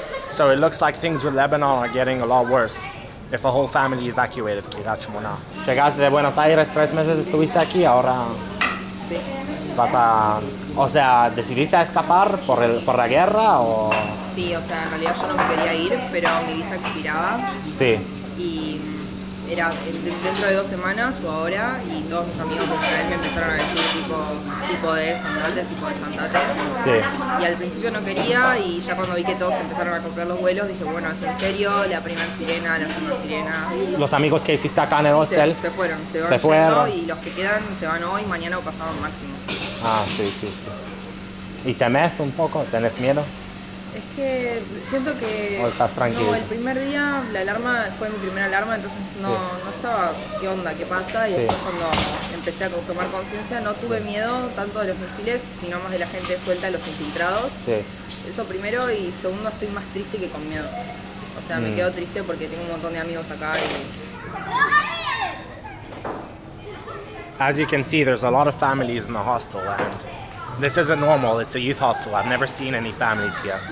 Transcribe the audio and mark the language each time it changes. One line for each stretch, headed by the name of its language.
English: So it looks like things with Lebanon are getting a lot worse if a whole family evacuated קריית שמונה. שגזת לבואנס איירס, טרס מזה, סטוויסט אקי, אורה...
Spanish: ¿Vas a...? O sea, ¿decidiste a escapar por la guerra o...? Sí, o sea, en realidad yo no me quería ir, pero mi visa expiraba. Sí. Y era dentro de dos semanas o ahora, y todos mis amigos de Israel me empezaron a decir tipo, si podés, andate, si podés, andate. Sí. Y al principio no quería, y ya cuando vi que todos empezaron a comprar los vuelos, dije, bueno, ¿es en serio? La primera sirena, la segunda sirena... ¿Los amigos que hiciste acá en el hostel? Sí, se fueron. Y los que quedan se van hoy, mañana o pasado máximo. Ah, sí, sí, sí. ¿Y temes un poco? ¿Tenés miedo? Es que siento que... ¿O estás tranquilo? No, el primer día la alarma fue mi primera alarma, entonces no, sí. No estaba qué onda, qué pasa. Y sí. Después cuando empecé a tomar conciencia no tuve sí. Miedo tanto de los misiles, sino más de la gente suelta, los infiltrados. Sí. Eso primero, y segundo estoy más triste que con miedo. O sea, me quedo triste porque tengo un montón de amigos acá y...
English: As you can see, there's a lot of families in the hostel, and this isn't normal. It's a youth hostel. I've never seen any families here.